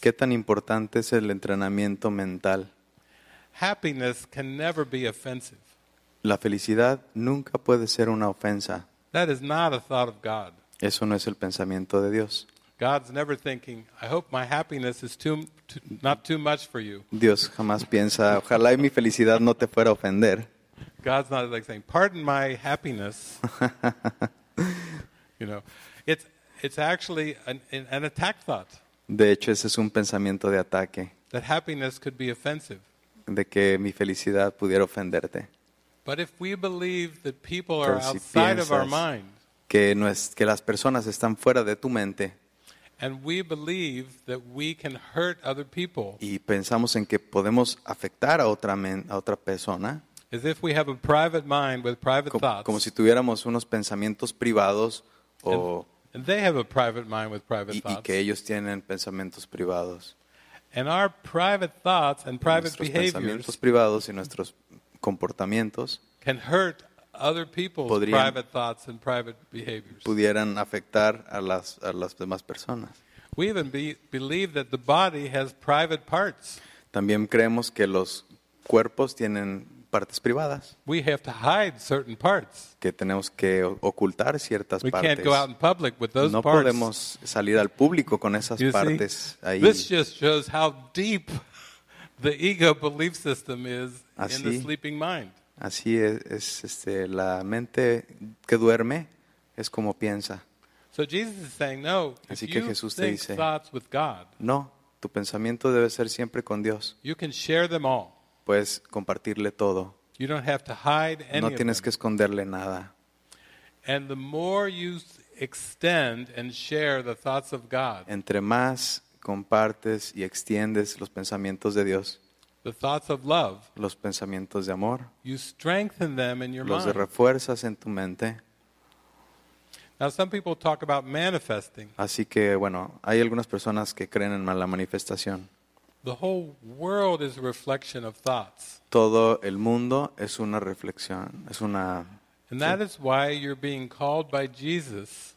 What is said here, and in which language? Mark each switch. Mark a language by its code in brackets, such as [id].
[es] ¿Qué tan importante es el entrenamiento mental? [en] Happiness can never be offensive. [es] La felicidad nunca puede ser una ofensa. [en] That is not a thought of God. [es] Eso no es el pensamiento de Dios. [en] God's never thinking, "I hope my happiness is not too much for you." [es] Dios jamás piensa, "Ojalá y mi felicidad no te fuera a ofender." [en] God's not like saying, "Pardon my happiness." You know, it's actually an attack thought. [es] De hecho, ese es un pensamiento de ataque. [en] That happiness could be offensive. [es] De que mi felicidad pudiera ofenderte. [en] But if we believe that people are outside of our mind, [es] que no es que las personas están fuera de tu mente, [en] and we believe that we can hurt other people, [es] y pensamos en que podemos afectar a otra persona, [en] as if we have a private mind with private thoughts, [es] como si tuviéramos unos pensamientos privados, o [en] and they have a private mind with private thoughts, [es] y que ellos tienen pensamientos privados. [en] And our private thoughts and private behaviors, [es] pensamientos privados y nuestros comportamientos, [en] can hurt other people's private thoughts and private behaviors. [es] Pudieran afectar a las demás personas. [en] We even believe that the body has private parts. [es] También creemos que los cuerpos tienen partes privadas. [en] We have to hide certain parts. [es] Que tenemos que ocultar ciertas [en] we [es] partes. [en] We can't go out in public with those [es] no [en] parts. [es] No podemos salir al público con esas [en] you [es] partes [en] see? [es] Ahí. [en] This just shows how deep the ego belief system is [es] así, [en] in the sleeping mind. [es] Así es la mente que duerme es como piensa. [en] So Jesus is saying no. [es] Así que Jesús te dice, [en] thoughts with God, [es] no, tu pensamiento debe ser siempre con Dios. [en] You can share them all. [es] Puedes compartirle todo. [en] You don't have to hide any [es] no tienes que esconderle nada. [en] And the more you extend and share the thoughts of God, [es] entre más compartes y extiendes los pensamientos de Dios, [en] the thoughts of love, [es] los pensamientos de amor, [en] you strengthen them in your [es] los [en] mind. [es] Refuerzas en tu mente. [en] Now some people talk about manifesting. [es] Así que bueno, hay algunas personas que creen en la manifestación. [en] The whole world is a reflection of thoughts. [es] Todo el mundo es una reflexión, es una. [en] And that is why you're being called by Jesus.